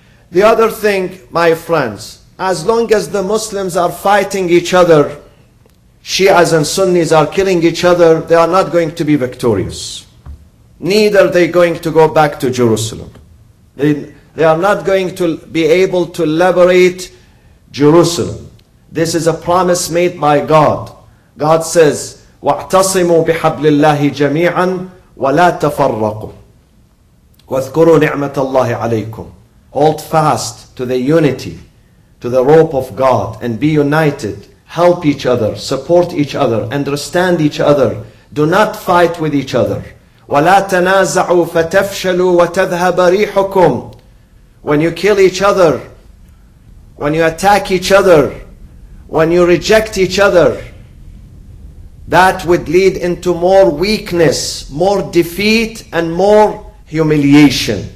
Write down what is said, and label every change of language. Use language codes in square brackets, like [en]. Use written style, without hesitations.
[en] The other thing, my friends, as long as the Muslims are fighting each other, Shias and Sunnis are killing each other, they are not going to be victorious. Neither are they going to go back to Jerusalem. They are not going to be able to liberate Jerusalem. This is a promise made by God. God says, [ar] وَاعْتَصِمُوا بِحَبْلِ اللَّهِ جَمِيعًا وَلَا تَفَرَّقُوا وَاذْكُرُوا نِعْمَةَ اللَّهِ عَلَيْكُمْ. [en] Hold fast to the unity, to the rope of God, and be united. Help each other, support each other, understand each other. Do not fight with each other. [ar] وَلَا تَنَازَعُوا فَتَفْشَلُوا وَتَذْهَبَ رِيحُكُمْ. [en] When you kill each other, when you attack each other, when you reject each other, that would lead into more weakness, more defeat, and more humiliation.